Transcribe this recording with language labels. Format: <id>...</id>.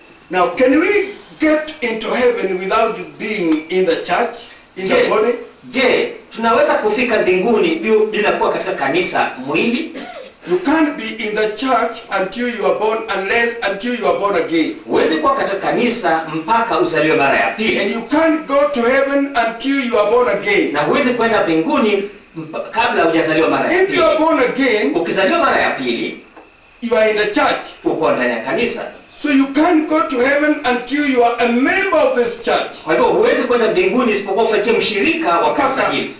<en>Now, can we get into heaven without being in the church, in the body?</en> <sw>Je, tunaweza kufika mbinguni bila kuwa katika kanisa mwili?</sw> <en>You can't be in the church until you are born, unless until you are born again.</en> <sw>Huwezi kuwa katika kanisa mpaka uzaliwe mara ya pili.</sw> <en>And you can't go to heaven until you are born again.</en> <sw>Na huwezi kwenda mbinguni kabla hujazaliwa mara ya pili.</sw> <en>If you are born again,</en> <sw>ukizaliwa mara ya pili,</sw> <en>you are in the church.</en> <sw>Uko ndani ya kanisa.</sw> <en>So you can't go to heaven until you are a member of this church.</en> <sw>Kwa hivyo huwezi kwenda mbinguni isipokuwa ufikie mshirika wa kanisa hili.</sw>